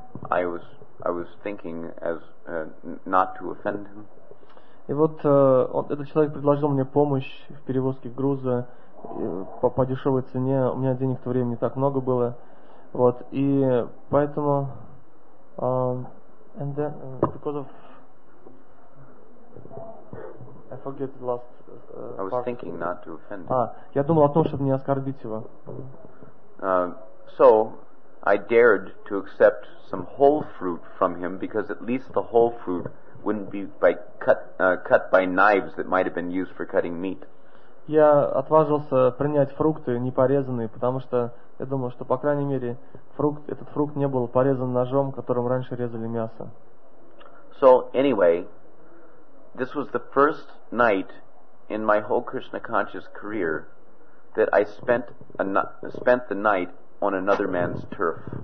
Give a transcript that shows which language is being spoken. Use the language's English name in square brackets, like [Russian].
[English] I was thinking as not to offend him. [Russian] И вот этот человек предложил мне помощь в перевозке груза по дешевой цене. У меня денег в то время не так много было. Вот, и поэтому я думал о том, чтобы не оскорбить его. [English] So I dared to accept some whole fruit from him, because at least the whole fruit wouldn't be by cut by knives that might have been used for cutting meat. [Russian] Я отважился принять фрукты не порезанные, потому что я думал, что по крайней мере этот фрукт не был порезан ножом, которым раньше резали мясо. [English] So anyway, this was the first night in my whole Krishna conscious career that I spent the night on another man's turf.